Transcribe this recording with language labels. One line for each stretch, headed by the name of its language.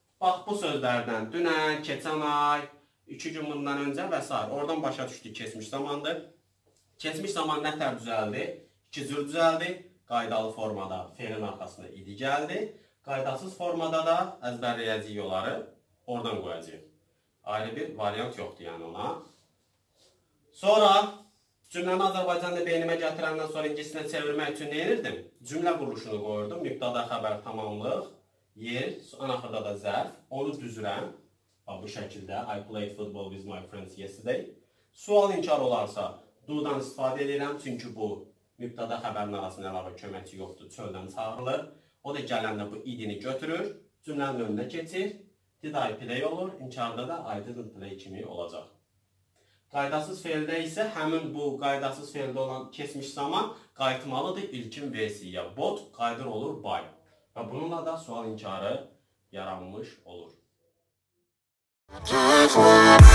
Azerbaijani: Bax, bu sözlərdən dünən, keçən ay, 2 gün bundan öncə və s. Oradan başa düşdük keçmiş zamandır. Keçmiş zaman nə tər düzəldi? 2 cür düzəldi. Qaydalı formada felin arxasında idi gəldi. Qaydasız formada da əzbərləyəcəyik yolları oradan qoyacağıq. Ayrı bir variant yoxdur yəni ona. Sonra cümləni Azərbaycan da beynimə gətirəndən sonra ingiliscə çevirmək üçün nə edirdim? Cümlə quruluşunu qoyurdum. Mübtəda, xəbər, tamamlıq, yer, ən axırda da zərf. Onu düzürəm. Bu şəkildə.
English: I played football with my friends yesterday.
Azerbaijani: Sual inkar olarsa do-dan istifadə edirəm. Çünki bu mübtəda xəbərin arasında əlavə köməkçi yoxdur. Çöldən çağırılır. O da gələndə bu idini götürür, cümlənin önünə keçir.
English: Did I play
Azerbaijani: olur, inkarda da
English: I didn't play
Azerbaijani: kimi olacaq. Qaydasız feildə isə həmin bu qaydasız feildə olan keçmiş zaman qayıtmalıdır ilkin versiyaya. Bot qayıdır olur buy. Və bununla da sual inkarı yaranmış olur.